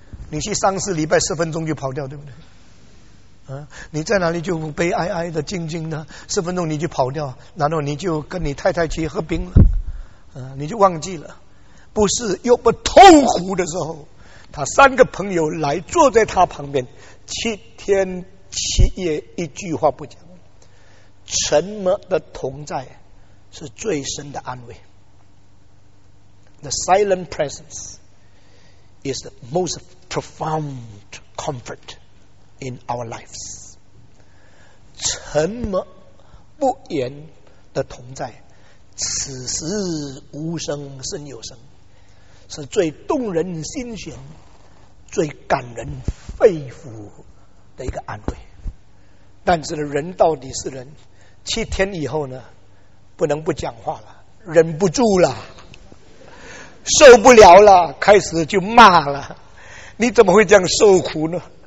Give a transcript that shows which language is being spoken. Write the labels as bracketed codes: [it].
[zh] 你去丧事礼拜十分钟就跑掉，对不对？你在哪里就悲哀哀的静静的十分钟你就跑掉，然后你就跟你太太去喝冰了，你就忘记了。不是，又不痛苦的时候，他三个朋友来坐在他旁边七天七夜一句话不讲，沉默的同在是最深的安慰。 [en] The silent presence is the most profound comfort in our lives. [zh] 沉默不言的同在，此时无声胜有声，是最动人心弦、最感人肺腑的一个安慰。但是呢，人到底是人，七天以后呢，不能不讲话了，忍不住了，受不了了，开始就骂了，你怎么会这样受苦呢？